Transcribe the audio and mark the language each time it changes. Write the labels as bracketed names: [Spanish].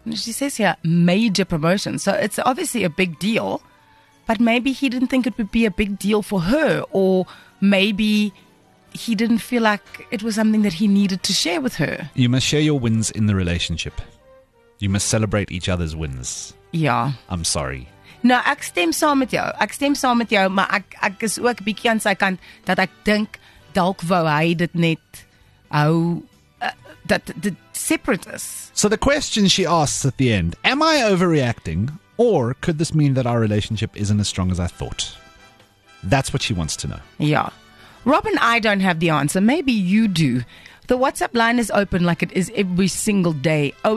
[English] She says here, major promotion. So it's obviously a big deal, but maybe he didn't think it would be a big deal for her, or maybe he didn't feel like it was something that he needed to share with her. You must share your wins in the relationship. You must celebrate each other's wins. Yeah. I'm sorry. [Afrikaans] Nou, ek stem saam met jou. Ek stem saam met jou, maar ek is ook bietjie aan sy kant dat ek dink dalk wou hy dit net hou dat dit separate is. [English] So the question she asks at the end, am I overreacting or could this mean that our relationship isn't as strong as I thought? That's what she wants to know. Yeah. Rob and I don't have the answer. Maybe you do. The WhatsApp line is open like it is every single day.